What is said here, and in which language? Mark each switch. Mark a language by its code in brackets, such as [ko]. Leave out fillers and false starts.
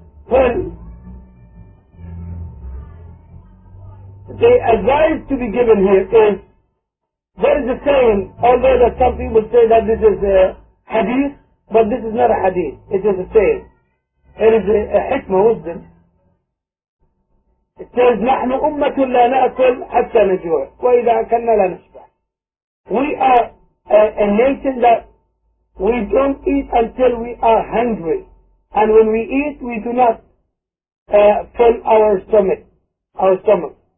[en] Well, the advice to be given here is, there is a saying, although that some people say that this is a hadith, but this is not a hadith, it is a saying. It is a hikmah, wisdom. It says, [ar] نَحْنُ أُمَّةٌ لَا نَأْكُلْ حَتَّى نَجُوعَ وَإِذَا أَكَلْنَا لَا نَشْبَعَ. [en] We are a nation that we don't eat until we are hungry. And when we eat, we do not fill our stomach.